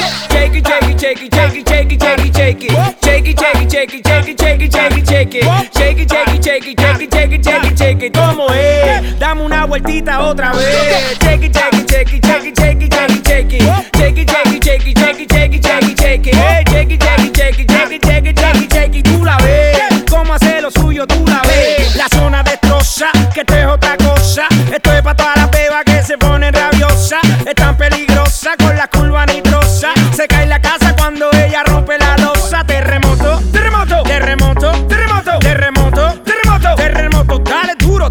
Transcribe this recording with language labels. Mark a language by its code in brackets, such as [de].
[en] Shake it, shake it, shake it, shake it, shake it, shake it, shake it. Shake it, shake it, shake it, shake it, shake it, shake it, shake it. Shake it, shake it, shake it, shake it, shake it, shake it, shake it. [es] ¿Cómo es? Dame una vueltita otra vez. [en] Shake it, shake it, shake it, shake it, shake it, shake it, shake it. Shake it, shake it, shake it, shake it, shake it, shake it, shake it. Hey, shake it, shake it, shake it, shake it, shake it, shake it, shake it. [es] Tú la ves. ¿Cómo hace lo suyo? Tú la ves. La zona destroza, que esto es otra cosa. Esto es pa' toda la beba que se pone rabiosa. Es tan peligrosa con la curva nitrosa. Se cae la casa cuando ella rompe la losa. Terremoto, terremoto, terremoto, terremoto, terremoto, terremoto, terremoto, dale duro.